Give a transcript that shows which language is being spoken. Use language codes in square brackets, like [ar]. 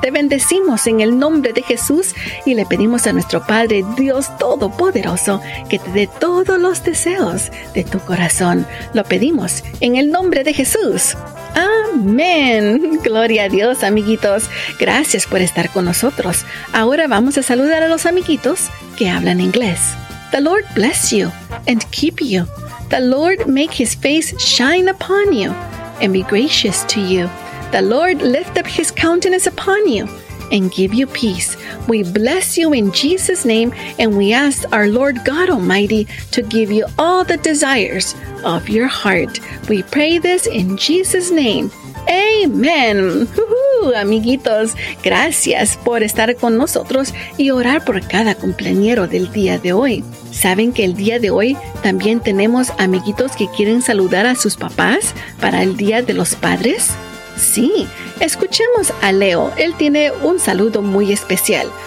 [es] Te bendecimos en el nombre de Jesús y le pedimos a nuestro Padre Dios Todopoderoso que te dé todos los deseos de tu corazón. Lo pedimos en el nombre de Jesús. ¡Amén! Gloria a Dios, amiguitos. Gracias por estar con nosotros. Ahora vamos a saludar a los amiguitos que hablan inglés. [en] The Lord bless you and keep you. The Lord make His face shine upon you and be gracious to you. The Lord lift up His countenance upon you and give you peace. We bless you in Jesus' name and we ask our Lord God Almighty to give you all the desires of your heart. We pray this in Jesus' name. Amen. [es] Amiguitos, gracias por estar con nosotros y orar por cada cumpleañero del día de hoy. ¿Saben que el día de hoy también tenemos amiguitos que quieren saludar a sus papás para el Día de los Padres? Sí, escuchemos a Leo. Él tiene un saludo muy especial.